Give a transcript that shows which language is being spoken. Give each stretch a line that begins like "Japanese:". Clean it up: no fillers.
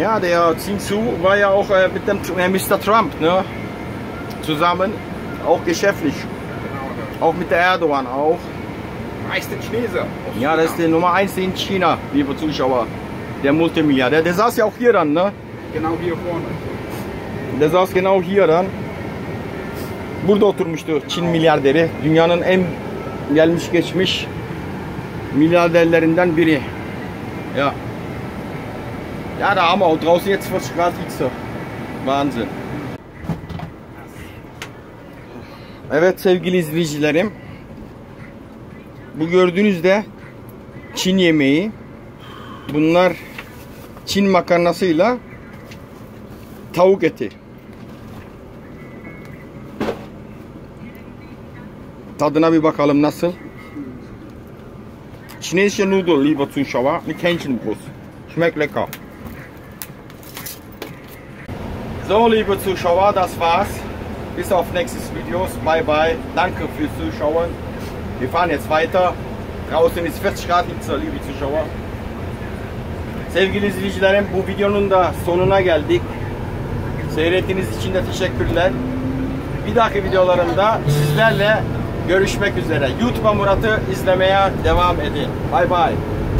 German: Ja, der Xinzhou war ja auch mit dem Mr. Trump, ne? Zusammen. Auch geschäftlich. Genau, ne? Auch mit der Erdogan auch. Meist den Chinesen. Ja, das ist der Nummer 1 in China, liebe Zuschauer. Der Multimilliardär, der saß ja auch hier dann, ne? Genau hier vorne. Der saß genau hier dann.
Turkish: Burada oturmuştu Çin milyarderi. Dünyanın en gelmiş geçmiş milyarderlerinden biri.
German: Ja. Ja, da haben wir auch draußen jetzt 40 Grad Hitze. Wahnsinn.
Turkish: Evet sevgili izleyicilerim. Bu gördüğünüz de Çin yemeği. Bunlar Çin makarnasıyla tavuk eti. Tadına bir bakalım nasıl.
English: Chinese noodle,
German: lieber Zuschauer. Wir kennen es. Schmeckt lecker. So, liebe Zuschauer, das war's. Bis auf nächstes Video. Bye bye. Danke fürs Zuschauen. Wir fahren jetzt weiter. Draußen ist 40 Grad Hitze, liebe Zuschauer.
Turkish: Sevgili izleyicilerim, bu videonun da sonuna geldik. Seyrettiğiniz için de teşekkürler. Bir dahaki videolarımda sizlerle görüşmek üzere. YouTube'a Murat'ı izlemeye devam edin. Bye bye.